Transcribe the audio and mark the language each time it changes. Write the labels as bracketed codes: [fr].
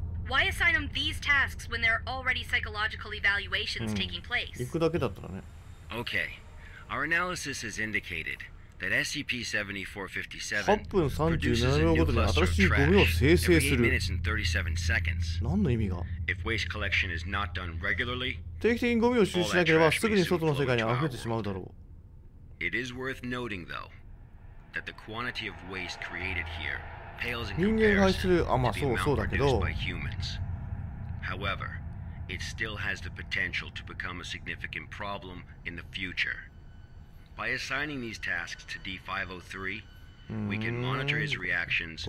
[en] Why assign him these tasks when there are already psychological evaluations taking place? [ja] 行くだけだったらね。 [en] Okay. Our analysis has indicated that SCP-7457 produces a new cluster of trash every 8 minutes and 37 seconds. [ja] 何の意味が? [en] If waste collection is not done regularly, [ja] 定期的にゴミを収集しなければすぐに外の世界に溢れてしまうだろう。 [en] It is worth noting, though, that the quantity of waste created here pales in comparison to the amount produced by humans. However, it still has the potential to become a significant problem in the future. By assigning these tasks to D-503, we can monitor his reactions